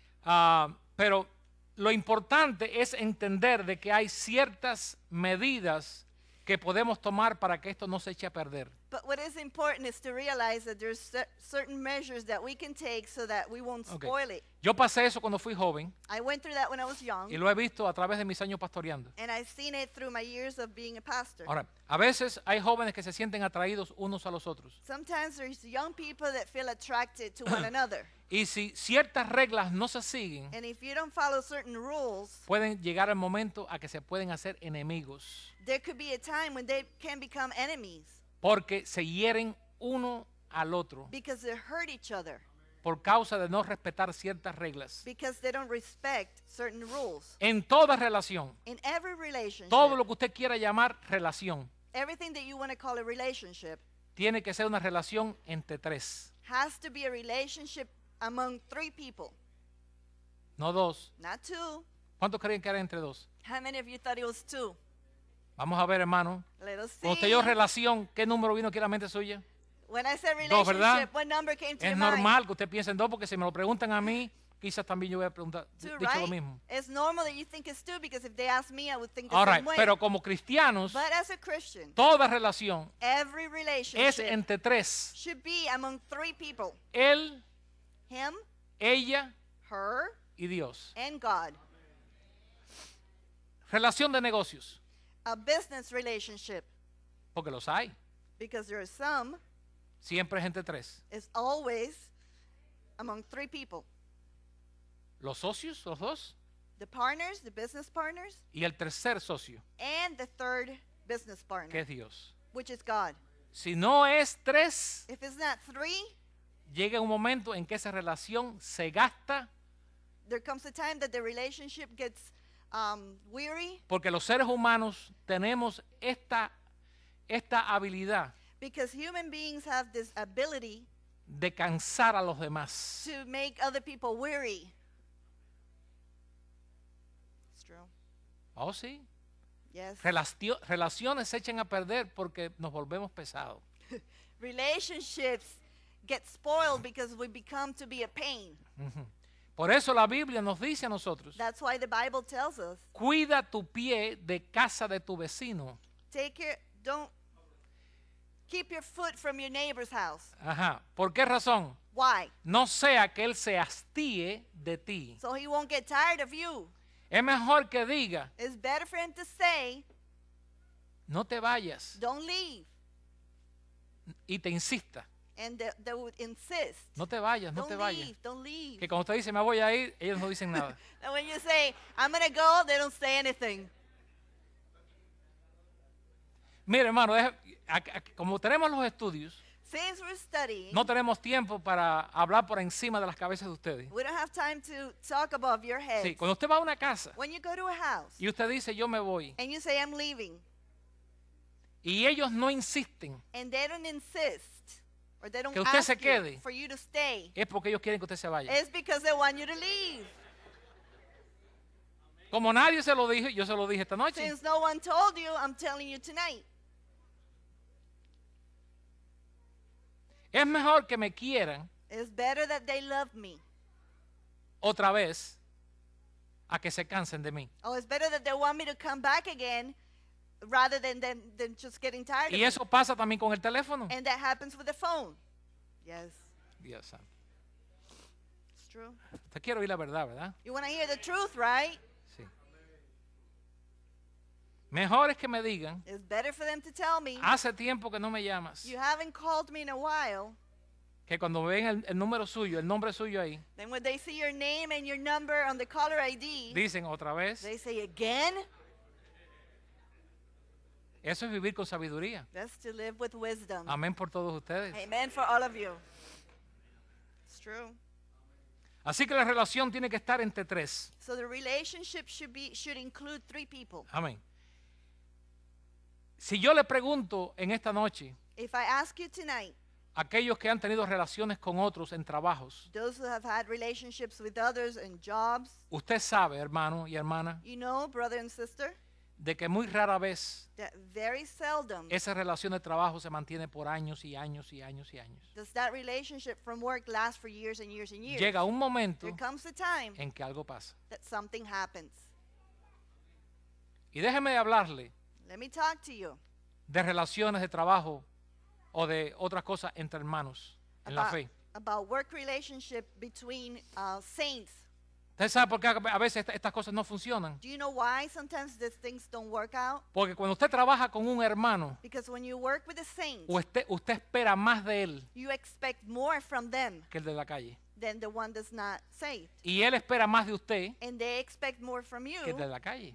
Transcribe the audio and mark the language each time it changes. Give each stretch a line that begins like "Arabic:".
Spanish: Pero lo importante es entender de que hay ciertas medidas que podemos tomar para que esto no se eche a perder.
English: But what is important is to realize that there's certain measures that we can take so that we won't spoil okay. it.
Spanish: Yo pasé eso cuando fui joven.
English: I went through that when I was young.
Spanish: Y lo he visto a través de mis años pastoreando.
English: And I've seen it through my years of being a pastor.
Spanish: Ahora, a veces hay jóvenes que se sienten atraídos unos a los otros.
English: Sometimes there's young people that feel attracted to one another.
Spanish: Y si ciertas reglas no se siguen,
English: and if you don't follow certain rules,
Spanish: pueden llegar el momento a que se pueden hacer enemigos.
English: There could be a time when they can become enemies.
Spanish: Porque se hieren uno al otro.
English: Because they hurt each other.
Spanish: Por causa de no respetar ciertas reglas.
English: Because they don't respect certain rules.
Spanish: En toda relación.
English: In every relationship.
Spanish: Todo lo que usted quiera llamar relación.
English: Everything that you want to call a relationship.
Spanish: Tiene que ser una relación entre tres.
English: Has to be a relationship among three people.
Spanish: No dos.
English: Not two.
Spanish: ¿Cuántos creían que era entre dos?
English: How many of you thought it was two?
Spanish: Vamos a ver, hermano.
English: Let us see.
Spanish: Cuando usted dijo relación, ¿qué número vino aquí a la mente suya?
English: When I said relationship,
Spanish: dos,
English: what number came to your mind?
Spanish: Es normal que usted piense en dos, porque si me lo preguntan a mí, quizás también yo voy a preguntar dicho lo mismo.
English: It's normal that you think it's two, because if they ask me, I would think the all same right, way.
Spanish: Pero como cristianos,
English: but as a Christian,
Spanish: toda relación
English: every relationship
Spanish: es entre tres.
English: Should be among three people.
Spanish: Él,
English: him,
Spanish: ella,
English: her,
Spanish: y Dios.
English: And God.
Spanish: Relación de negocios.
English: A business relationship.
Spanish: Porque los hay.
English: Because there are some.
Spanish: Siempre es entre tres.
English: It's always among three people.
Spanish: Los socios, los dos.
English: The partners, the business partners.
Spanish: Y el tercer socio.
English: And the third business partner.
Spanish: Que es Dios.
English: Which is God.
Spanish: Si no es tres.
English: If it's not three.
Spanish: Llega un momento en que esa relación se gasta.
English: There comes a time that the relationship gets weary.
Spanish: Porque los seres humanos tenemos esta habilidad.
English: Because human beings have this ability
Spanish: de cansar a los demás.
English: To make other people weary. It's true.
Spanish: Oh, sí.
English: Yes.
Spanish: Relaciones se echan a perder porque nos volvemos pesados.
English: Relationships get spoiled because we become to be a pain.
Spanish: Por eso la Biblia nos dice a nosotros.
English: That's why the Bible tells us.
Spanish: Cuida tu pie de casa de tu vecino.
English: Take care, don't keep your foot from your neighbor's house.
Spanish: Ajá. ¿Por qué razón?
English: Why?
Spanish: No sea que él se hastíe de ti.
English: So he won't get tired of you.
Spanish: Es mejor que diga.
English: It's better for him to say.
Spanish: No te vayas.
English: Don't leave.
Spanish: Y te insista.
English: And they would insist.
Spanish: No te vayas, no
English: don't
Spanish: te vayas.
English: Don't leave, don't leave.
Spanish: Que cuando usted dice, me voy a ir, ellos no dicen nada.
English: And when you say, I'm going to go, they don't say anything.
Spanish: Mire, hermano, como tenemos los estudios,
English: since we're studying,
Spanish: no tenemos tiempo para hablar por encima de las cabezas de ustedes.
English: We don't have time to talk above your heads.
Spanish: Sí, cuando usted va a una casa,
English: when you go to a house,
Spanish: y usted dice, yo me voy,
English: and you say, I'm leaving,
Spanish: y ellos no insisten,
English: and they don't insist, or they don't
Spanish: que usted
English: ask
Spanish: se quede,
English: you for you to stay,
Spanish: es porque ellos quieren que usted se vaya.
English: It's because they want you to leave.
Spanish: Como nadie se lo dijo, yo se lo dije esta noche.
English: Since no one told you, I'm telling you tonight.
Spanish: Es mejor que me quieran.
English: It's better that they love me.
Spanish: Otra vez, a que se cansen de mí.
English: Oh, it's better that they want me to come back again, rather than just getting tired.
Spanish: Y eso pasa también con el teléfono.
English: And that happens with the phone. Yes.
Spanish: Dios santo.
English: It's true.
Spanish: Te quiero oír la verdad, ¿verdad?
English: You want to hear the truth, right?
Spanish: Mejor es que me digan.
English: It's better for them to tell me.
Spanish: Hace tiempo que no me llamas.
English: You haven't called me in a while.
Spanish: Que cuando ven el número suyo, el nombre suyo ahí.
English: Then when they see your name and your number on the caller ID.
Spanish: Dicen otra vez.
English: They say again.
Spanish: Eso es vivir con sabiduría.
English: That's to live with wisdom.
Spanish: Amén por todos ustedes.
English: Amen for all of you. It's true.
Spanish: Así que la relación tiene que estar entre tres.
English: So the relationship should include three people.
Spanish: Amén. Si yo le pregunto en esta noche,
English: if I ask you tonight,
Spanish: aquellos que han tenido relaciones con otros en trabajos,
English: those who have had relationships with others in jobs,
Spanish: usted sabe, hermano y hermana,
English: you know, brother and sister,
Spanish: de que muy rara vez
English: that very seldom,
Spanish: esa relación de trabajo se mantiene por años y años y años y años.
English: Does that relationship from work last for years and years and years?
Spanish: Llega un momento,
English: there comes a time,
Spanish: en que algo pasa.
English: That something happens.
Spanish: Y déjeme hablarle.
English: Let me talk to you.
Spanish: De relaciones de trabajo o de otras cosas entre hermanos en la fe.
English: About work relationship between saints.
Spanish: ¿Usted sabe por qué a veces estas cosas no funcionan?
English: Do you know why sometimes these things don't work out?
Spanish: Porque cuando usted trabaja con un hermano,
English: because when you work with a saint,
Spanish: usted espera más de él,
English: you expect more from them,
Spanish: que el de la calle,
English: than the one that's not saved.
Spanish: Y él espera más de usted,
English: and they expect more from you,
Spanish: que el de la calle,